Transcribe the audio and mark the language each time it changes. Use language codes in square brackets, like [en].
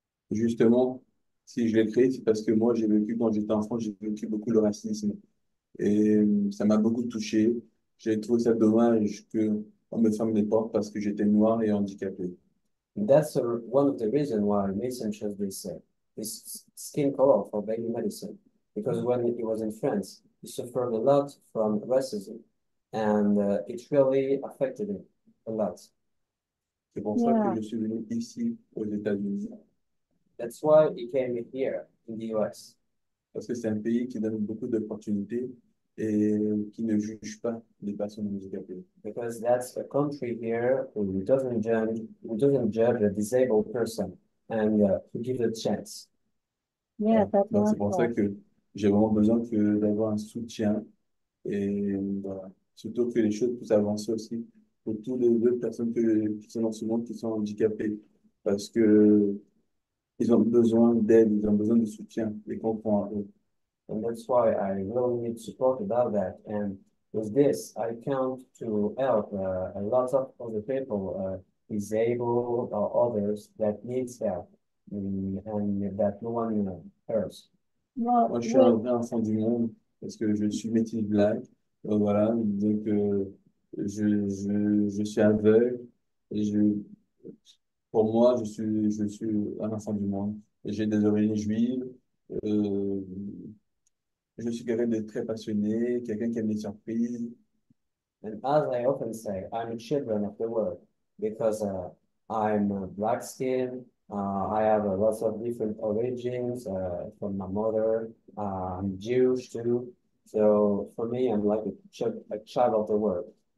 [fr] Justement, si je l'ai créé, c'est parce que moi, j'ai vécu, quand j'étais enfant, j'ai vécu beaucoup le racisme. Et ça m'a beaucoup touché. J'ai trouvé ça dommage qu'on me ferme les portes parce que j'étais noir et handicapé. [en] That's a, one of the reasons why Mason chose this, this skin color for baby Madison. Because when he was in France, he suffered a lot from racism. And it really affected him a lot. [fr] C'est pour ça que je suis venu ici, aux États-Unis. [en] That's why he came here, in the US. [fr] Parce que c'est un pays qui donne beaucoup d'opportunités et qui ne juge pas les personnes handicapées. [en] Because that's a country here who doesn't judge, a disabled person and who gives a chance. Yeah, that's [fr] Donc c'est pour ça [en] wonderful. [fr] Que j'ai vraiment besoin d'avoir un soutien et voilà, surtout que les choses puissent avancer aussi pour toutes les autres personnes qui sont dans ce monde qui sont handicapées parce que ils ont besoin d'aide, ils ont besoin de soutien, ils comprennent. [en] And that's why I really need support about that. And with this, I count to help a lot of other people, disabled or others that need help and that no one hears. Well, [fr] moi, je suis un vrai enfant du monde parce que je suis métis black. Donc voilà, donc je suis aveugle et je, pour moi, je suis un enfant du monde. J'ai des origines juives. Je suis quelqu'un de très passionné, quelqu'un qui aime les surprises. [en] And as I often say, I'm a children of the world because I'm black skin. I have lots of different origins from my mother. I'm Jewish too. So for me, I'm like a child of the world.